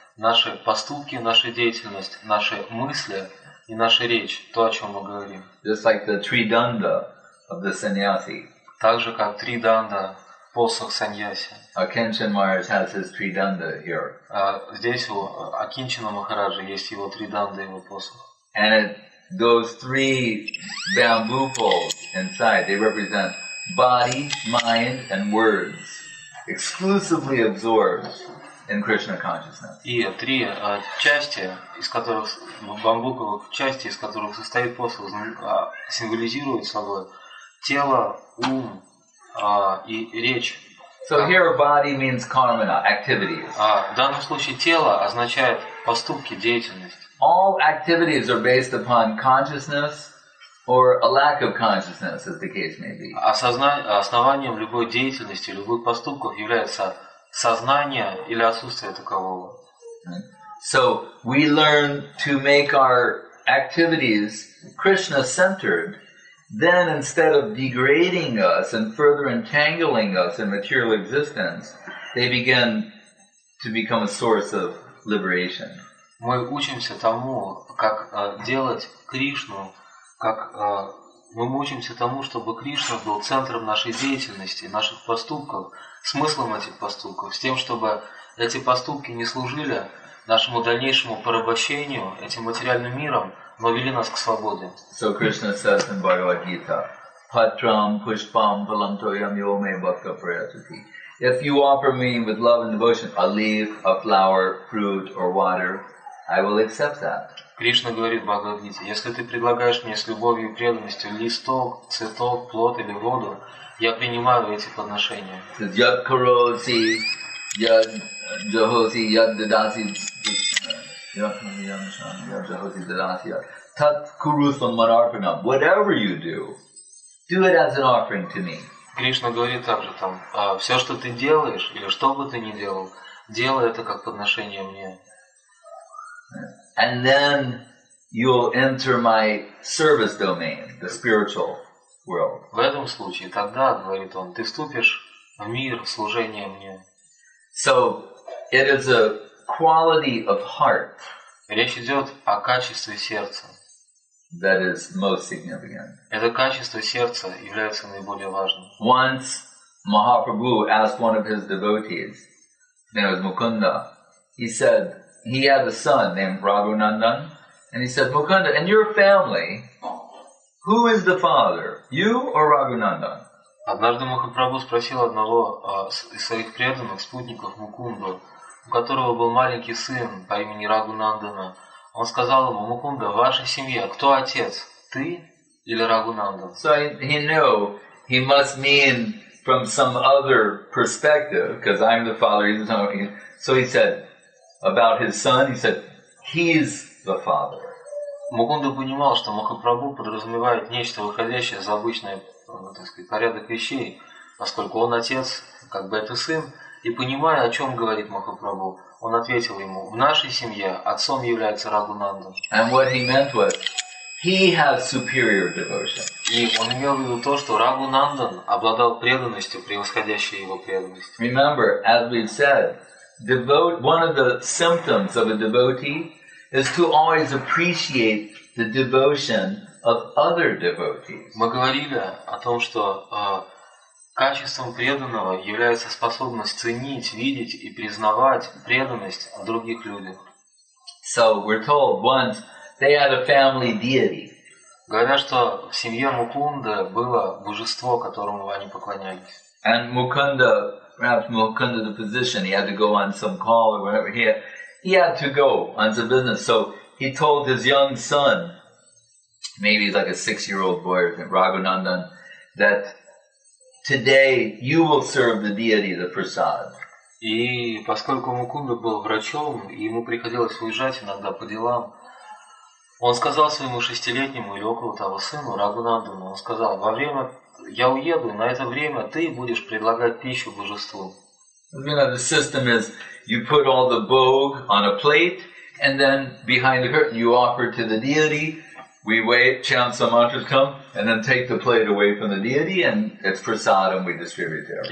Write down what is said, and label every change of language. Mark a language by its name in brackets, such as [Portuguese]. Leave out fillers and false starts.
[Russian] Наши поступки, наша деятельность, наши мысли и наша речь, то, о чем мы говорим. [English] Just like the three danda of the sannyasi. [Russian] Так же, как три данда посох саньяси. [English] Akinchen Maharaj has his three danda here. [Russian] Здесь у Акинчина Махараджа есть его три данда, его посох. [English] And it, those three bamboo poles inside, they represent body, mind, and words, exclusively absorbed in Krishna consciousness. [Russian] И три части, из которых бамбуковых части, из которых состоит посох, символизируют собой тело, ум и речь. [English] So here body means karmana, activities. [Russian] В данном случае тело означает поступки, деятельность. [English] All activities are based upon consciousness. Or a lack of consciousness, as the case may be. [Russian] Основанием любой деятельности, любых поступков является сознание или отсутствие такового. [English] So we learn to make our activities Krishna-centered. Then, instead of degrading us and further entangling us in material existence, they begin to become a source of liberation. [Russian] Мы учимся тому, как делать Кришну. Как мы учимся тому, чтобы Кришна был центром нашей деятельности, наших поступков, смыслом этих поступков, с тем, чтобы эти поступки не служили нашему дальнейшему порабощению этим материальным миром, но вели нас к свободе. [English] So Krishna says in Bhagavad Gita, [Sanskrit] Patram Pushpam Palantoyam Yome Bhakta Prayatati. [English] If you offer me with love and devotion a leaf, a flower, fruit or water, I will accept that. [Russian] Кришна говорит в Бхагавад-гите, если ты предлагаешь мне с любовью и преданностью листок, цветок, плод или воду, я принимаю эти подношения. [Sanskrit] Яд кароси, яд джахоси, яд дедаси, яд джахоси дедаси, тат курусам марарпинам. [English] Whatever you do it as an offering to me. [Russian] Кришна говорит также там, все, что ты делаешь, или что бы ты ни делал, делай это как подношение мне. [English] And then you'll enter my service domain, the spiritual world. [Russian] В этом случае, тогда, говорит он, ты вступишь в мир служения мне. [English] So it is a quality of heart. [Russian] Речь идет о качестве сердца. [English] That is most significant. [Russian] Это качество сердца является наиболее важным. [English] Once Mahaprabhu asked one of his devotees, his name was Mukunda, he said, he had a son named Raghunandan, and he said, Mukunda, in your family, who is the father, you or Raghunandan? [Russian] Однажды Махапрабху спросил одного из своих преданных спутников Мукунду, у которого был маленький сын по имени Рагунандана. Он сказал ему, Мукунда, в вашей семье кто отец, ты или Рагунандан? [English] So he knew he must mean from some other perspective, because I'm the father, he's the son. So he said, about his son, he said, he's the father. [Russian] Мукунда понимал, что Махапрабху подразумевает нечто выходящее за обычный, так сказать, порядок вещей, поскольку он отец, как бы это сын, и понимая, о чем говорит Махапрабху, он ответил ему, в нашей семье отцом является Рагунанда. [English] And what he meant was, he has superior devotion. [Russian] И он имел в виду то, что Рагунандан обладал преданностью, превосходящей его преданностью. [English] Remember, as we've said, one of the symptoms of a devotee is to always appreciate the devotion of other devotees. [Russian] Мы говорили о том, что Качеством преданного является способность ценить, видеть и признавать преданность в других людях. [English] So we're told once they had a family deity. [Russian] Говорят, что в семье Мукунда было божество, которому они поклонялись. [English] And Mukunda, perhaps Mukunda the physician, he had to go on some call or whatever. He had to go on some business. So he told his young son, maybe like a 6-year-old boy, Raghunandan, that today you will serve the deity, the Prasad. [Russian] И поскольку Мукунда был врачом, ему приходилось уезжать иногда по делам, он сказал своему 6-летнему или около того сыну, Рагунандану, он сказал, во время, я уеду, на это время ты будешь предлагать пищу божеству. [English] You know, the system is, you put all the bhog on a plate, and then behind the curtain you offer to the deity, we wait, chant some mantras come, and then take the plate away from the deity, and it's prasadam we distribute there.